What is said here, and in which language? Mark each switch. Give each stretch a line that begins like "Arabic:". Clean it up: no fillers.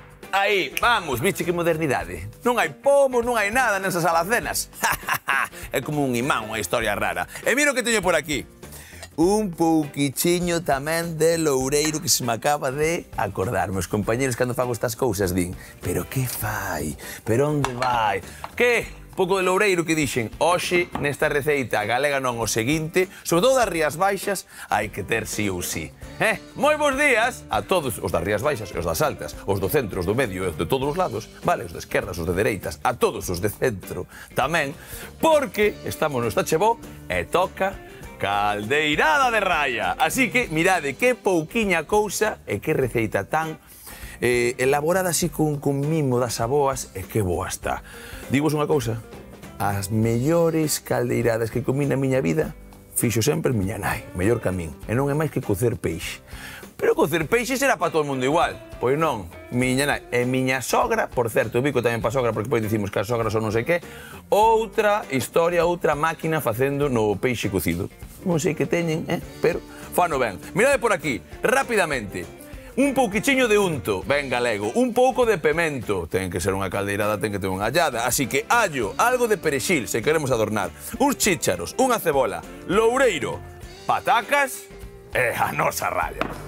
Spanish: Ahí, vamos, viste qué modernidad. No hay pomo, no hay nada en esas alacenas. Es como un imán, una historia rara. Y mira lo que teño por aquí.
Galician: Un poquichiño tamén de loureiro que se me acaba de acordar. Meus compañeros, cando fago estas cousas, din, pero que fai? Pero onde vai? Que? Pouco de loureiro que dixen, hoxe, nesta receita galega non o seguinte, sobre todo das Rías Baixas, hai que ter sí ou sí. Moi bons días a todos os das Rías Baixas e os das Altas, os do centro, os do medio e os de todos os lados, vale, os de esquerdas, os de dereitas, a todos os de centro tamén, porque estamos no Estachebó e toca caldeirada de raya. Así que, mirade, que pouquiña cousa e que receita tan elaborada así con mimo das aboas e que boa está. Digo-vos unha cousa, as mellores caldeiradas que comí na miña vida fixo sempre miña nai, mellor que a min, e non é máis que cocer peixe. Pero cocer peixe será para todo o mundo igual. Pois non, miña nai e miña sogra, por certo, eu bico tamén para sogra porque pois dicimos que as sogras son non sei que, outra historia, outra máquina facendo no peixe cocido. Non sei que teñen, pero fano ben. Mirade por aquí, rapidamente. Un pouquichiño de unto, ben galego, un pouco de pemento, ten que ser unha caldeirada, ten que ter unha allada, así que allo, algo de perexil, se queremos adornar, uns chícharos, unha cebola, loureiro, patacas e a nosa raya.